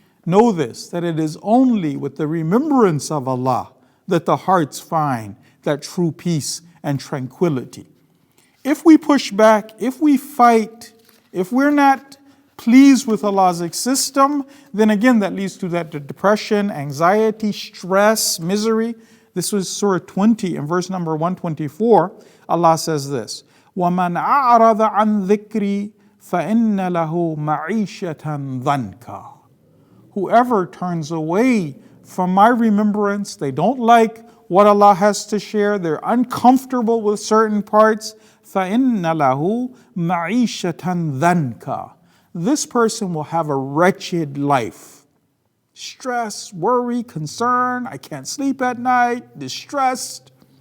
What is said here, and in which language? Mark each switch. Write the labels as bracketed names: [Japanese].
[English] Know this, that it is only with the remembrance of Allah that the hearts find that true peace and tranquility. If we push back, if we fight, if we're not pleased with Allah's system, then again that leads to that depression, anxiety, stress, misery. This was Surah 20 in verse number 124. Allah says this, [Arabic] وَمَنْ أَعْرَضَ عَنْ ذِكْرِي فَإِنَّ لَهُ مَعِيشَةً ضَنْكَى. [English] Whoever turns away from my remembrance, they don't like what Allah has to share, they're uncomfortable with certain parts, [Arabic] فَإِنَّ لَهُ مَعِيشَةً ضَنْكَى. [English] This person will have a wretched life. Stress, worry, concern, I can't sleep at night, distressed.